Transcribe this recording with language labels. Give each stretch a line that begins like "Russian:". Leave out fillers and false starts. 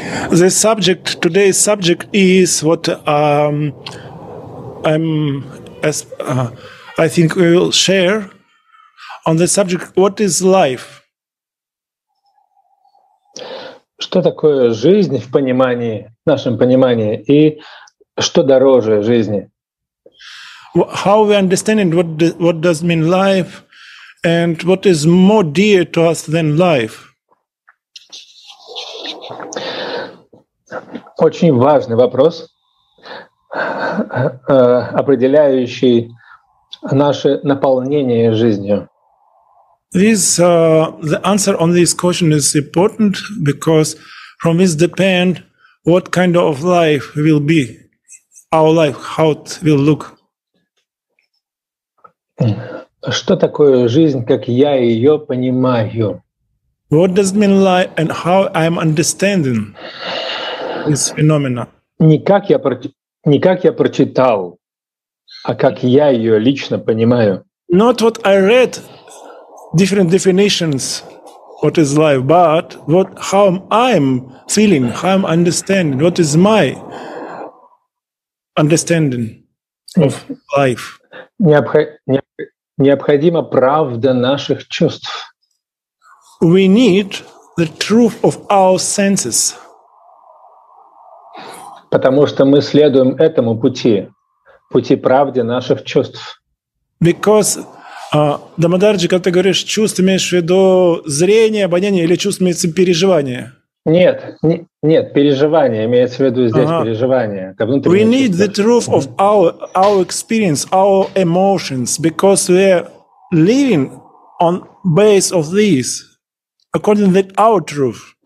English: The subject, today's subject is what I think we will share on the subject, what is life?
Russian: Что такое жизнь в понимании, в нашем понимании, и что дороже жизни?
English: How we understand it, what does mean life, and what is more dear to us than life?
Russian: Очень важный вопрос, определяющий наше наполнение жизнью.
English: The answer on this question is important because from this depend what kind of life will be our life, how it will look.
Russian: Что такое жизнь, как я ее понимаю?
English: What does mean life and how I'm understanding this phenomena?
Russian: Не как я прочитал, а как я ее лично понимаю.
English: Not what I read. Different definitions what is life, but what how I'm feeling, how I'm understanding, what is my understanding of life.
Russian: Необходима правда наших чувств.
English: We need the truth of our senses.
Russian: Потому что мы следуем этому пути, пути правды наших чувств.
English: Because
Russian: Дамодарджи, когда ты говоришь чувств, имеешь в виду зрение, обоняние или чувств, имеется переживание? Нет, переживание имеется в виду здесь переживание.
English: We need the truth of our experience, our emotions, because we are living on base of this, according to our truth.